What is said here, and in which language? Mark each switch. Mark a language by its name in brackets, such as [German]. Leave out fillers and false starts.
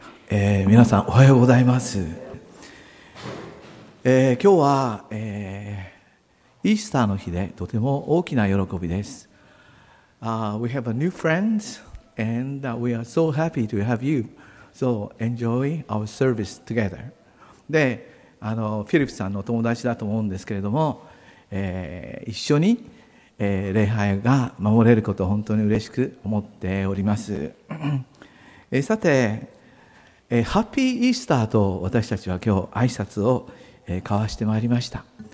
[Japanese] 皆さんおはようございます。今日は、イースターの日でとても大きな喜びです。 [English] We have a new friend and we are so happy to have you. So enjoy our service together. [Japanese] で、フィリップさんの友達だと思うんですけれども、一緒に、礼拝が守れることを本当に嬉しく思っております。さて、ハッピーイースターと私たちは今日挨拶を交わしてまいりました。